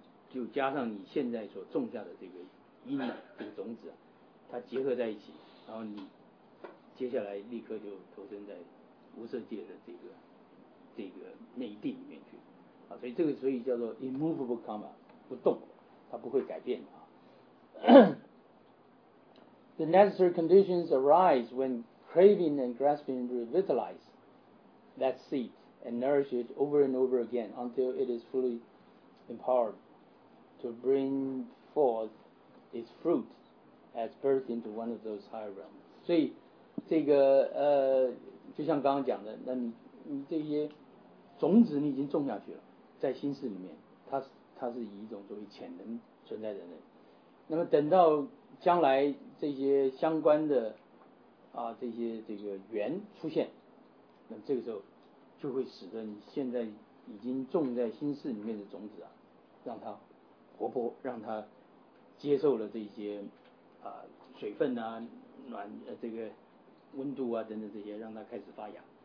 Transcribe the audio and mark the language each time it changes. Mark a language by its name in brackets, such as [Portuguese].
[Chinese] 就加上你现在所种下的这个因这个种子，它结合在一起，然后你接下来立刻就投身在无色界的这个内定里面去啊，所以这个所以叫做 immovable karma， 不动，它不会改变的啊。 [English] The necessary conditions arise when craving and grasping revitalize that seed and nourish it over and over again until it is fully empowered to bring forth its fruit as birth into one of those higher realms. [Chinese] 所以这个就像刚刚讲的，那你这些种子你已经种下去了，在心事里面，它是以一种作为潜能存在的人。那么等到将来这些相关的啊这些这个缘出现，那么这个时候就会使得你现在已经种在心事里面的种子啊，让它活泼，让它接受了这些啊水分啊暖这个温度啊等等这些，让它开始发芽。